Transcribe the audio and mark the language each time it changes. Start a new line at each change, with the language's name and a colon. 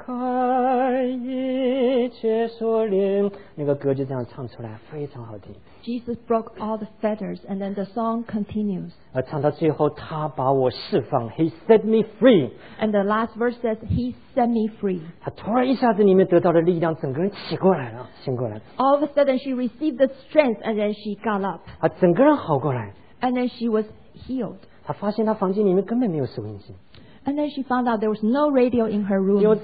Chinese: 主断开一切锁链，主断开一切锁链。那个歌就这样唱出来，非常好听。
English: Jesus broke all the fetters, and then the song continues.
Chinese: 唱到最后，他把我释放，
English: He set me free. And the last verse says, He set me free.
Chinese: 他突然一下子里面得到了力量，整个人醒过来了。
English: All of a sudden, she received the strength, and then she got up.
Chinese: 整个人好过来。
English: And then she was healed.
Chinese: 她发现她房间里面根本没有收音机。
English: And then she found out there was no radio in her room.